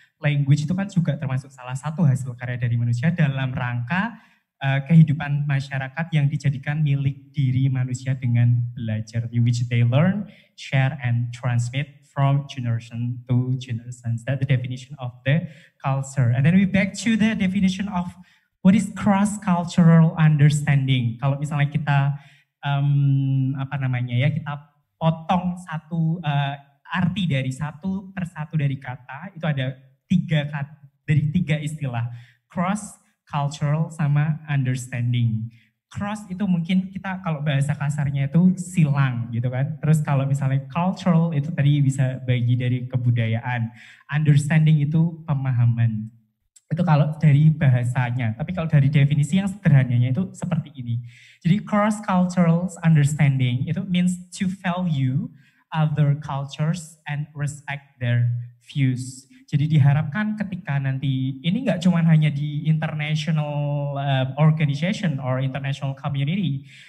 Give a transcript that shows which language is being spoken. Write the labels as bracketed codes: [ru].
[id] Language itu kan juga termasuk salah satu hasil karya dari manusia dalam rangka kehidupan masyarakat yang dijadikan milik diri manusia dengan belajar, [en] which they learn, share, and transmit from generation to generation. That's the definition of the culture. And then we back to the definition of what is cross-cultural understanding. [id] Kalau misalnya kita, kita potong satu arti dari satu persatu dari kata, itu ada tiga istilah. Cross-cultural sama understanding. Cross itu mungkin kita kalau bahasa kasarnya itu silang gitu kan. Terus kalau misalnya cultural itu tadi bisa bagi dari kebudayaan. Understanding itu pemahaman. Itu kalau dari bahasanya. Tapi kalau dari definisi yang sederhananya itu seperti ini. [en] Jadi cross-cultural understanding itu means to value other cultures and respect their views. [id] Jadi diharapkan ketika nanti, ini nggak cuma hanya di [en] international organization or international community.